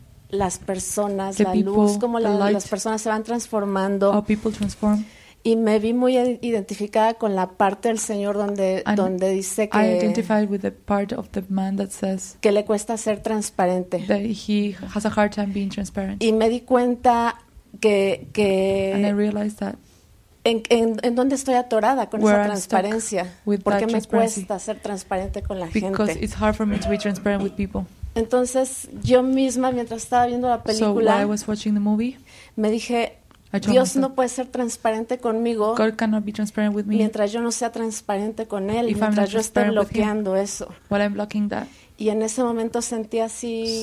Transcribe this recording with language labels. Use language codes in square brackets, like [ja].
[es] Las personas, la luz, cómo las personas se van transformando. [en] How people transform. [es] Y me vi muy identificada con la parte del Señor donde dice que [en] I identified with the part of the man that says [es] que le cuesta ser transparente. [en] That he has a hard time being transparent. [es] Y me di cuenta que [en] and I realized that [es] en dónde estoy atorada con esa transparencia. ¿Por qué me cuesta ser transparente con la gente? [en] Because it's hard for me to be transparent with people. [es] Entonces, yo misma, mientras estaba viendo la película, [en] so, while I was watching the movie, [es] me dije, Dios no puede ser transparente conmigo [en] God cannot be transparent with me [es] mientras yo no sea transparente con Él, mientras yo esté bloqueando [en] him, [es] eso. [en] While I'm blocking that. [es] Y en ese momento sentí así,